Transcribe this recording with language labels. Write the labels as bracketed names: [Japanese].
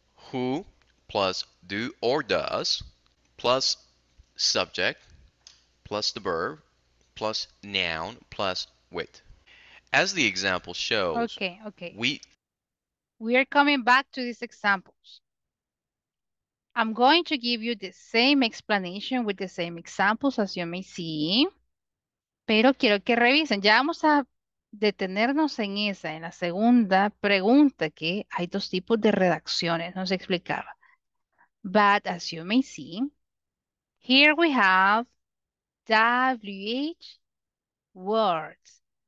[English] Who plus do or does plus subject plus the verb plus noun plus with. As the example shows, okay. We are coming back to these examples. I'm going to give you the same explanation with the same examples as you may see. [Spanish] Pero quiero que revisen. Ya vamos a detenernos en esa, en la segunda pregunta, que hay dos tipos de redacciones, nos explicaba. [English] But as you may see, here we have WH words.